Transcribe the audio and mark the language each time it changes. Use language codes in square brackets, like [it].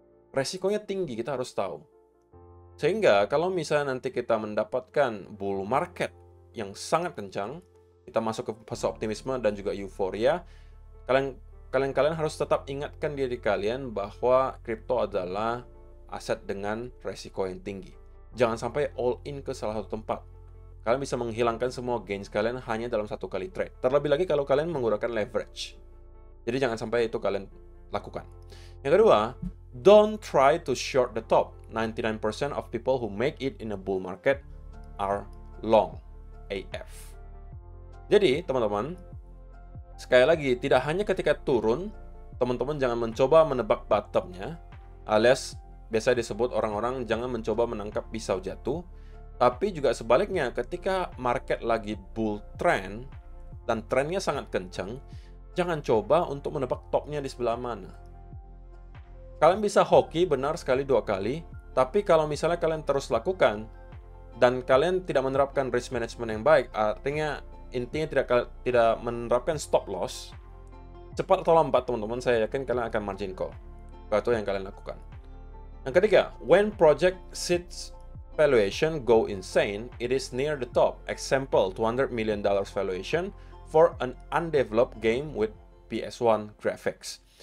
[id] Resikonya tinggi, kita harus tahu. Sehingga kalau misalnya nanti kita mendapatkan bull market yang sangat kencang, kita masuk ke fase optimisme dan juga euforia, kalian harus tetap ingatkan diri kalian bahwa kripto adalah aset dengan resiko yang tinggi. jangan sampai all in ke salah satu tempat. Kalian bisa menghilangkan semua gains kalian hanya dalam satu kali trade. Terlebih lagi kalau kalian menggunakan leverage. Jadi jangan sampai itu kalian lakukan. Yang kedua, [en] don't try to short the top. 99% of people who make it in a bull market are long AF. [id] Jadi, teman-teman, sekali lagi, tidak hanya ketika turun, teman-teman jangan mencoba menebak bottomnya, alias biasa disebut orang-orang jangan mencoba menangkap pisau jatuh, tapi juga sebaliknya, ketika market lagi bull trend, dan trennya sangat kencang, jangan coba untuk menebak topnya di sebelah mana. Kalian bisa hoki benar sekali dua kali, tapi kalau misalnya kalian terus lakukan, dan kalian tidak menerapkan risk management yang baik, artinya intinya tidak menerapkan stop loss, cepat atau lambat teman-teman, saya yakin kalian akan margin call. Itu yang kalian lakukan. Yang ketiga, [en] when project sits valuation go insane, it is near the top. Example, $200 million valuation for an undeveloped game with PS1 graphics.